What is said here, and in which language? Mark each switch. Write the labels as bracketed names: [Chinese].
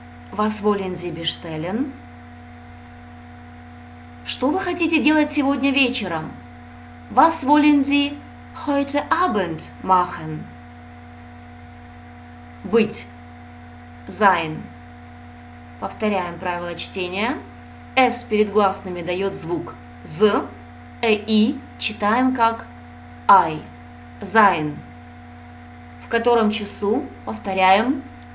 [German] Was wollen Sie bestellen? [Russian] Что вы хотите делать сегодня вечером? [German] Was wollen Sie heute Abend machen? [Russian] Быть. Sein. Повторяем правила чтения. S перед гласными дает звук Z. E-I читаем как I. Sein. В котором часу? Повторяем.